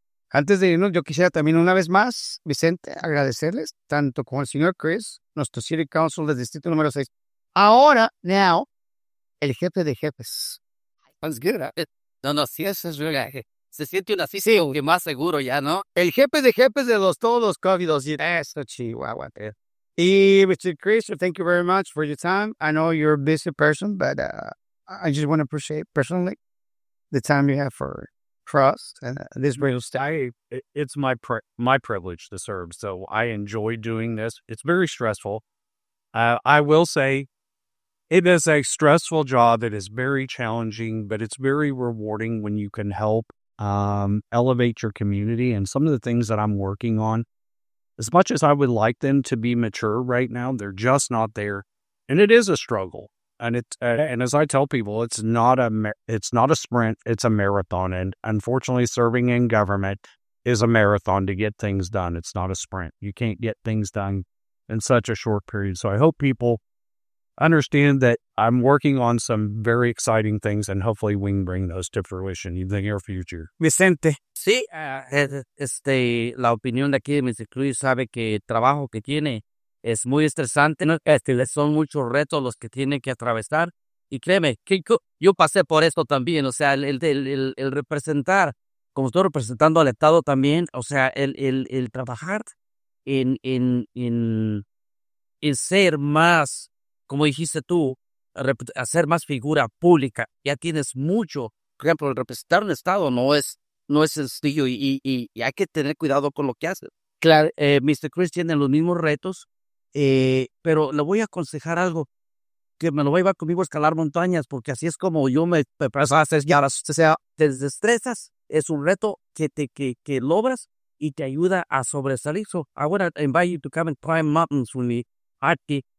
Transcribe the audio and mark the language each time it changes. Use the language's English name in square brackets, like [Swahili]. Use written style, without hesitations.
[Spanish] Antes de irnos, yo quisiera también una vez más, Vicente, agradecerles tanto como el señor Chris, nuestro City Council del Distrito número 6. Ahora, [English] now, [Spanish] el jefe de jefes. [English] Sounds good, [Spanish] ¿eh? No, sí, eso es verdad. Se siente un así, sí. Que más seguro ya, ¿no? El jefe de jefes de los todos, COVID-19. Eso, chihuahua. Y, Mr. [English] Chris, thank you very much for your time. I know you're a busy person, but I just want to appreciate personally the time you have for us and this real stuff. It's my privilege to serve, so I enjoy doing this. It's very stressful. I will say it is a stressful job that is very challenging, but it's very rewarding when you can help elevate your community. And some of the things that I'm working on, as much as I would like them to be mature right now, they're just not there. And it is a struggle. And and as I tell people, it's not a sprint, it's a marathon. And unfortunately, serving in government is a marathon to get things done. It's not a sprint. You can't get things done in such a short period. So I hope people understand that I'm working on some very exciting things, and hopefully we can bring those to fruition in the near future. [Spanish] Vicente. Sí, la opinión de aquí de Mr. Cruz sabe que el trabajo que tiene es muy estresante, ¿no? Son muchos retos los que tienen que atravesar. Y créeme, que yo pasé por esto también. O sea, el representar, como estoy representando al Estado también, o sea, el trabajar en ser más, como dijiste tú, hacer más figura pública. Ya tienes mucho. Por ejemplo, el representar un Estado no es sencillo y hay que tener cuidado con lo que haces. Claro, Mr. Chris tiene los mismos retos. Pero le voy a aconsejar algo, que me lo voy a llevar conmigo a escalar montañas, porque así es como yo me preparo. Te desestresas, es un reto que logras y te ayuda a sobresalir. [English] So I want to invite you to come and climb mountains with me, Artie.